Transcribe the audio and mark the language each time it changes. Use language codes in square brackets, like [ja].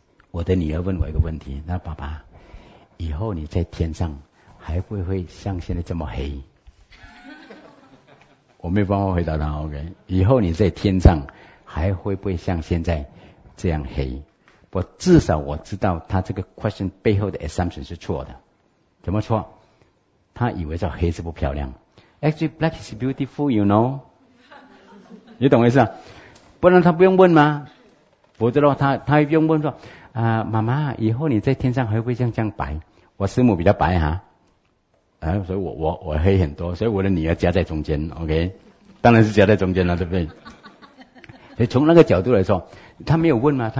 [zh] 我的女儿问我一个问题，那爸爸，以后你在天上还会不会像现在这么黑？我没办法回答他。OK， 以后你在天上还会不会像现在这样黑？我至少我知道他这个 question 背后的 assumption 是错的。怎么错？他以为叫黑是不漂亮。 [en] Actually, black is beautiful, you know? [zh] 你懂意思啊？不然他不用问吗？否则的话他还用问说，妈妈，以后你在天上还会像这样白？我师母比较白哈。所以我黑很多，所以我的女儿夹在中间， OK? 当然是夹在中间了，对不对？所以从那个角度来说，他没有问吗？